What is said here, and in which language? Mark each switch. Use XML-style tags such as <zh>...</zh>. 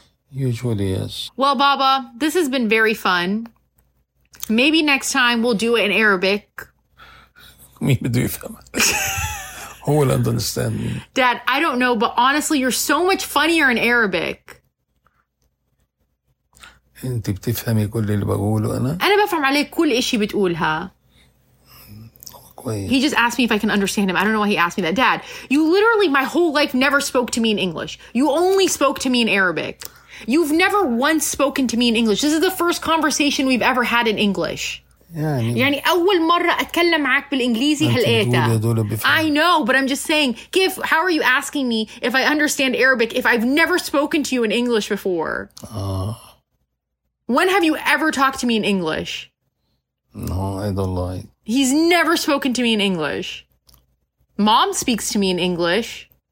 <en>Usually, yes. Well, Baba, this has been very fun. Maybe next time we'll do it in Arabic. Me to do it. Who will understand me? Dad, I don't know, but honestly, you're so much funnier in Arabic.</en> <ar>انت بتفهمي كل اللي بقوله انا؟ انا بفهم عليك كل شيء بتقولها.</ar> <en>He just asked me if I can understand him. I don't know why he asked me that. Dad, you literally, my whole life, never spoke to me in English. You only spoke to me in Arabic. You've never once spoken to me in English. This is the first conversation we've ever had in English.</en> <ar>يعني أول مرة أتكلم معك بالإنجليزي هالآيتة.</ar> <en>I know, but I'm just saying, Kif, how are you asking me if I understand Arabic if I've never spoken to you in English before? When have you ever talked to me in English? No, I don't like. He's never spoken to me in English. Mom speaks to me in English.</en>